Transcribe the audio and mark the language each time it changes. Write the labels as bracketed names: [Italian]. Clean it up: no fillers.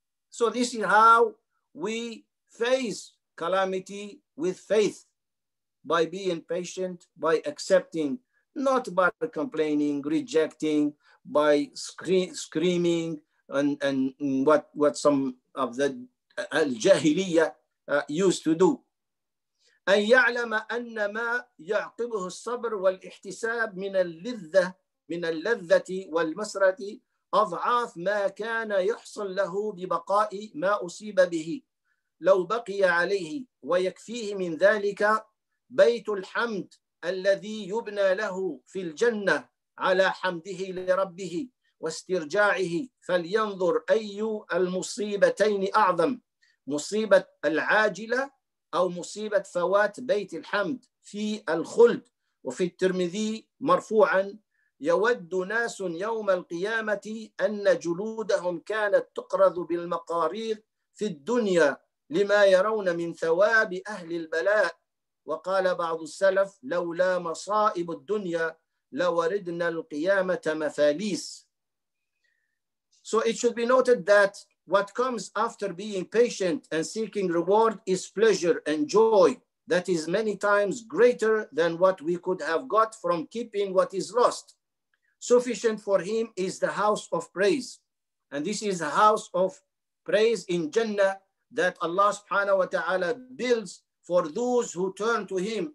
[English] So this is how we face calamity with faith, by being patient, by accepting, not by complaining, rejecting, by screaming, and what some of the al-jahiliyyah used to do. [Arabic] أن يعلم أن ما يعقبه الصبر والاحتساب من اللذة من اللذة والمسرة أضعاف ما كان يحصل له ببقاء ما أصيب به لو بقي عليه ويكفيه من ذلك بيت الحمد الذي يبنى له في الجنة على حمده لربه واسترجاعه فلينظر أي المصيبتين أعظم مصيبة العاجلة أو مصيبة فوات بيت الحمد في الخلد وفي الترمذي مرفوعا يود ناس يوم القيامة أن جلودهم كانت تقرض بالمقاريض في الدنيا لما يرون من ثواب أهل البلاء وقال بعض السلف لولا مصائب الدنيا لوردنا القيامة مفاليس. [English] So it should be noted that what comes after being patient and seeking reward is pleasure and joy that is many times greater than what we could have got from keeping what is lost. Sufficient for him is the house of praise. And this is the house of praise in Jannah that Allah subhanahu wa ta'ala builds for those who turn to him.